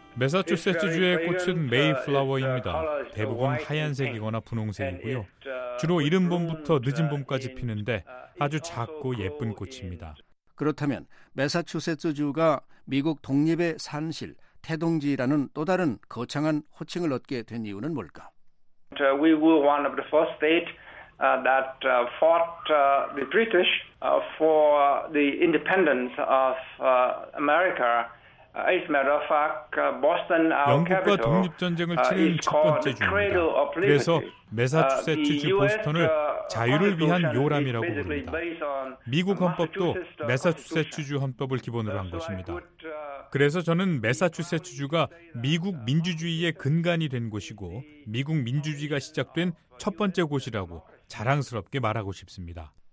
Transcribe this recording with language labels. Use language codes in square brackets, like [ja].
[ko] 매사추세츠주의 꽃은 메이플라워입니다. 대부분 하얀색이거나 분홍색이고요. 주로 이른 봄부터 늦은 봄까지 피는데 아주 작고 예쁜 꽃입니다. 그렇다면 매사추세츠주가 미국 독립의 산실, 태동지라는 또 다른 거창한 호칭을 얻게 된 이유는 뭘까? [en] We were one of the first states that fought the British for the independence of America. [ko] 영국과 독립전쟁을 치른 첫 번째 주입니다. 그래서 매사추세츠주 보스턴을 자유를 위한 요람이라고 부릅니다. 미국 헌법도 매사추세츠주 헌법을 기본으로 한 것입니다. 그래서 저는 매사추세츠주가 미국 민주주의의 근간이 된 곳이고 미국 민주주의가 시작된 첫 번째 곳이라고 자랑스럽게 말하고 싶습니다.